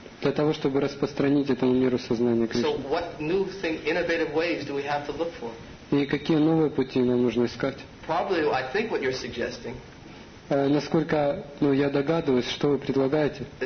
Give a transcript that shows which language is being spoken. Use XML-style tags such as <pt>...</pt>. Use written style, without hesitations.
<ru>Для того, чтобы распространить этому миру сознание Кришны.</ru> <en>So what new thing, innovative ways do we have to look for?</en> <ru>И какие новые пути нам нужно искать?</ru> <en>Probably, I think what you're suggesting.</en> <ru>Насколько, ну, я догадываюсь, что вы предлагаете.</ru>